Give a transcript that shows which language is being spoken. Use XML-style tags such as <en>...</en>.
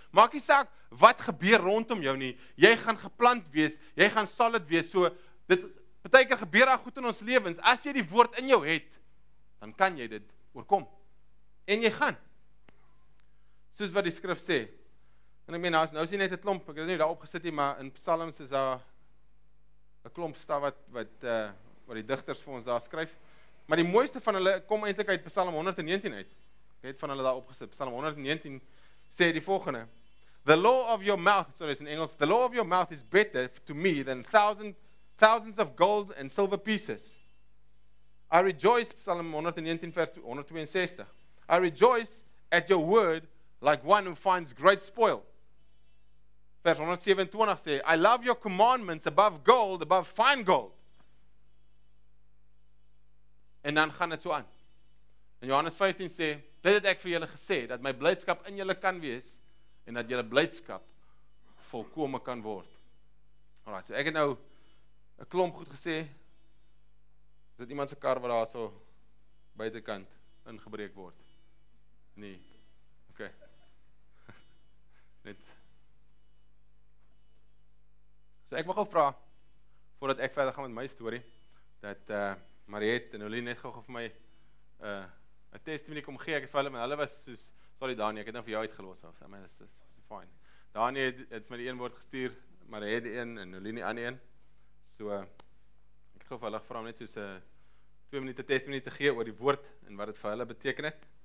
<af>Maak nie saak wat gebeur rondom jou nie, jy gaan geplant wees, jy gaan solid wees, so dit, partykeer gebeur daar goed in ons lewens, as jy die woord in jou het, dan kan jy dit oorkom. En jy gaan. Soos wat die skrif sê. En ek meen, nou is jy net 'n klomp, ek het nie daar opgesit nie, maar in Psalms is daar 'n klomp staf wat die digters vir ons daar skryf. Maar die mooiste van hulle kom eintlik uit Psalm 119 uit. Ek het van hulle daar opgesit. Psalm 119 sê die volgende.</af> <en>The law of your mouth, sorry,</en> <af>is in Engels,</af> <en>the law of your mouth is better to me than thousands of gold and silver pieces. I rejoice, Psalm 119 vers 162. I rejoice at your word like one who finds great spoil.</en> <af>Vers 127 sê,</af> <en>I love your commandments above gold, above fine gold.</en> <af>En dan gaan dit so aan. En Johannes 15 sê, dit het ek vir julle gesê, dat my blydskap in julle kan wees, en dat julle blydskap volkome kan word. Alright, so ek het nou een klomp goed gesê, is dit iemand se kar wat daar so buitenkant ingebreek word? Nee. Net. So ek wil gou vra, voordat ek verder gaan met my story, dat Mariette en Oline net gou vir my 'n testimonie kom gee. Ek het vir hulle, maar hulle was soos, sorry Daniël, ek het nou vir jou uitgelos. Ek meen dit is fine. Daniël het vir my die een woord gestuur, maar hy het die een en Oline die ander een. So ek het gou vir hulle gevra om net soos 2 minute testimonie te gee oor die woord en wat dit vir hulle beteken het.</af>